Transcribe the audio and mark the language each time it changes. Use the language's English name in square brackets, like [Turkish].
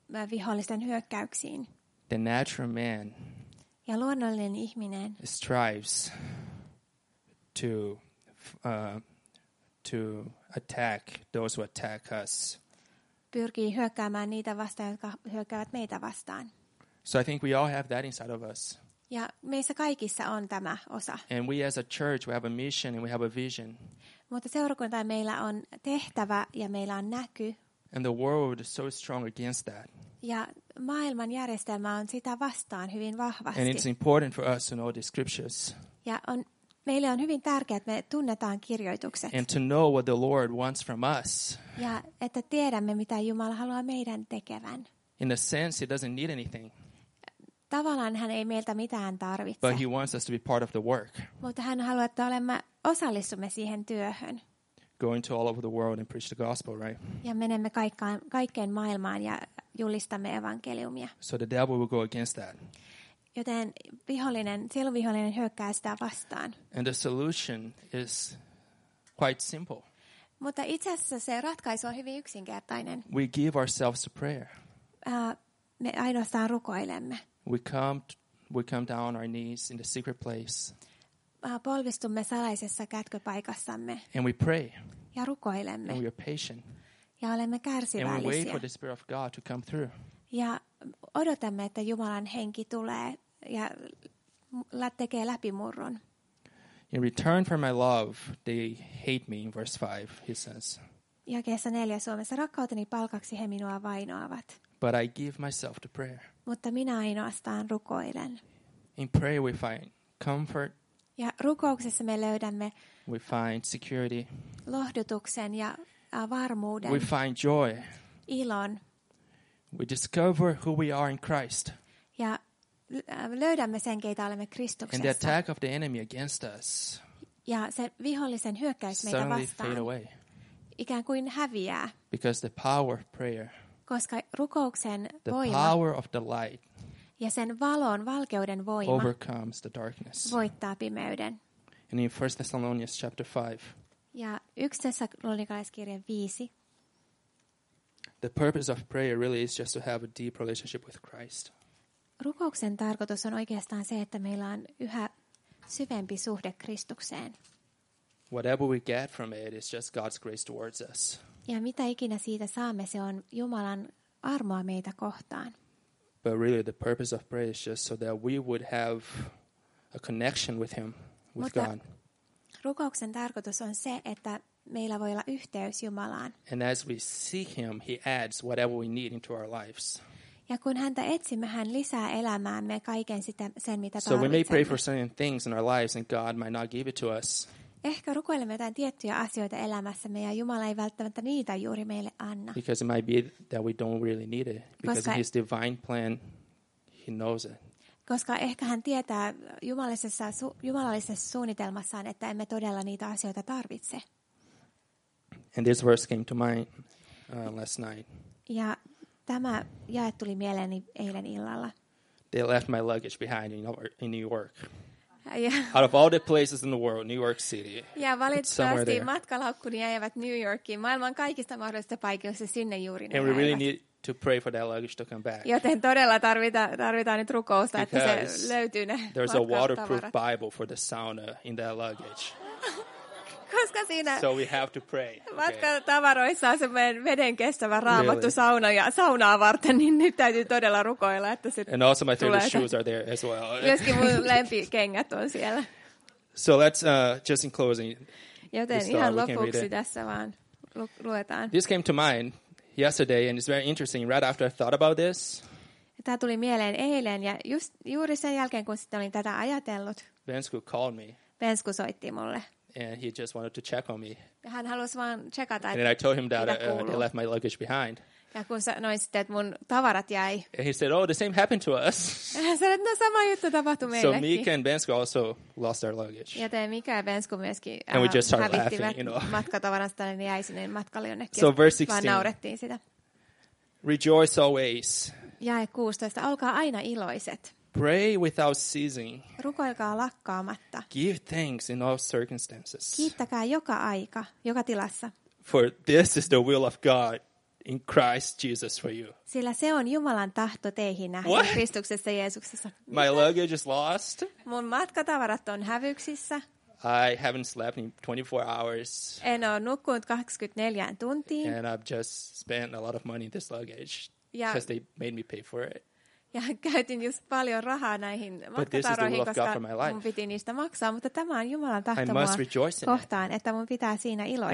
[Finnish] Vihollisten hyökkäyksiin. [English] The natural man. [Finnish] Ja luonnollinen ihminen. [English] Strives to attack those who attack us. [Finnish] Pyrkii hyökkäämään niitä vastaan, jotka hyökkäävät meitä vastaan. [English] So I think we all have that inside of us. [Finnish] Ja meissä kaikissa on tämä osa. [English] And we as a church, we have a mission and we have a vision. [Finnish] Mutta seurakunta, meillä on tehtävä ja meillä on näky. [English] And the world is so strong against that. [Finnish] Ja maailman järjestelmä on sitä vastaan hyvin vahvasti. [English] And it's important for us to know the scriptures. [Finnish] Ja on meille on hyvin tärkeää, että me tunnetaan kirjoitukset. [English] And to know what the Lord wants from us. [Finnish] Ja että tiedämme, mitä Jumala haluaa meidän tekevän. [English] In a sense, he doesn't need anything. [Finnish] Tavallaan hän ei meiltä mitään tarvitse. [English] But he wants us to be part of the work. [Finnish] Mutta hän haluaa, että olemme osallistumme siihen työhön. [English] Going to all over the world and preach the gospel, right? [Finnish] Ja menemme kaikkeen maailmaan ja julistamme evankeliumia. [English] So the devil will go against that. [Finnish] Joten vihollinen, sieluvihollinen hyökkää sitä vastaan. [English] And the solution is quite simple. [Finnish] Mutta itse asiassa se ratkaisu on hyvin yksinkertainen. [English] We give ourselves to prayer. [Finnish] Me ainoastaan rukoilemme. [English] We come down on our knees in the secret place. [Finnish] Polvistumme salaisessa kätköpaikassamme. [English] And we pray. [Finnish] Ja rukoilemme. [English] And we are patient. [Finnish] Ja olemme kärsivällisiä. [English] And we wait for the Spirit of God to come through. [Finnish] Ja odotamme, että Jumalan henki tulee ja tekee läpimurron. [English] In return for my love, they hate me, in verse 5, he says. [Finnish] Jakeessa 4 Suomessa, rakkauteni palkaksi he minua vainoavat. [English] But I give myself to prayer. [Finnish] Mutta minä ainoastaan rukoilen. [English] In prayer we find comfort. [Finnish] Ja rukouksessa me löydämme [English] we find security. [Finnish] Lohdutuksen ja varmuuden. [English] We find joy. [Finnish] Ilon. [English] We discover who we are in Christ. [Finnish] Ja löydämme sen, keitä olemme Kristuksessa. [English] And the attack of the enemy against us. [Finnish] Ja se vihollisen hyökkäys meitä [English] suddenly [Finnish] vastaan. [English] Fade away. [Finnish] Ikään kuin häviää. [English] Because the power of prayer. [Finnish] Koska rukouksen [English] the [Finnish] voima [English] power of the light [Finnish] ja sen valon, valkeuden voima [English] overcomes the darkness. [Finnish] Voittaa pimeyden. [English] And in 1 Thessalonians chapter 5. [Finnish] Ja 1 Thessalonikalaiskirjeen 5. [English] The purpose of prayer really is just to have a deep relationship with Christ. [Finnish] Rukouksen tarkoitus on oikeastaan se, että meillä on yhä syvempi suhde Kristukseen. [English] Whatever we get from it is just God's grace towards us. [Finnish] Ja mitä ikinä siitä saamme, se on Jumalan armoa meitä kohtaan. [English] But really the purpose of prayer is just so that we would have a connection with him, with God. [Finnish] Rukouksen tarkoitus on se, että meillä voi olla yhteys Jumalaan. [English] And as we seek him, he adds whatever we need into our lives. [Finnish] Ja kun häntä etsimme, hän lisää elämäämme kaiken sitä, sen, mitä tarvitsemme. [English] So we may pray for certain things in our lives and God might not give it to us. [Finnish] Ehkä rukoilemme jotain tiettyjä asioita elämässämme ja Jumala ei välttämättä niitä juuri meille anna. [English] Because it might be that we don't really need it. Because in his divine plan, he knows it. [Finnish] Koska ehkä hän tietää jumalallisessa suunnitelmassaan, että emme todella niitä asioita tarvitse. [English] And this verse came to mind last night. [Finnish] Ja tämä jae tuli mieleeni eilen illalla. [English] They left my luggage behind in New York. Out of all the places in the world, New York City. [Finnish] Ja valitettavasti matkalaukkuni jäivät New Yorkiin, maailman kaikista mahdollisista paikoista sinne juuri. [English] And we really need to pray for that luggage to come back. [Finnish] Joten todella tarvitaan nyt rukousta, että se löytyy ne. [English] There's a waterproof Bible for the sauna in that luggage. [Finnish] Koska siinä [English] so we have to pray. [Finnish] Matkatavaroissa on semmoinen veden kestävä raamattu sauna ja saunaa varten, niin nyt täytyy todella rukoilla, että se tulee. [English] And also my favorite shoes are there as well. [Finnish] Myöskin mun lempikengät on siellä. [English] So let's just in closing. [Finnish] Joten ihan lopuksi tässä vaan luetaan. [English] This came to mind yesterday and it's very interesting right after I thought about this. [Finnish] Tämä tuli mieleen eilen ja juuri sen jälkeen, kun sitten olin tätä ajatellut. [English] Bensku called me. [Finnish] Bensku soitti mulle. [English] And he just wanted to check on me. [Finnish] Hän halusi vaan checkata, [English] and I told him that I left my luggage behind. [Finnish] Ja kun sanoin sitten, että mun tavarat jäi. [English] And he said, oh, the same happened to us. [Finnish] Ja hän sanoi, että no sama juttu tapahtui meillekin. [English] So Mika and Bensko also lost their luggage. [Finnish] Ja te Mika ja Bensko myöskin hävittivät matkatavarasta, niin jäi sinne matkalle jonnekin. [English] So verse 16. [Finnish] Vaan naurettiin sitä. [English] Rejoice always. [Finnish] Jae 16. Olkaa aina iloiset. [English] Pray without ceasing. [Finnish] Rukoilkaa lakkaamatta. [English] Give thanks in all circumstances. [Finnish] Kiittäkää joka aika, joka tilassa. [English] For this is the will of God in Christ Jesus for you. [Finnish] Sillä se on Jumalan tahto teihin nähden Kristuksessa Jeesuksessa. [English] My luggage is lost. [Finnish] Mun matkatavarat on hävyksissä. [English] I haven't slept in 24 hours. [Finnish] En ole nukkunut 24 tuntiin. [English] And I've just spent a lot of money in this luggage because they made me pay for it. [Finnish] Ja käytin just paljon rahaa näihin matkataroihin, koska mun piti niistä maksaa, mutta tämä on Jumalan tahto kohtaan, että mun pitää siinä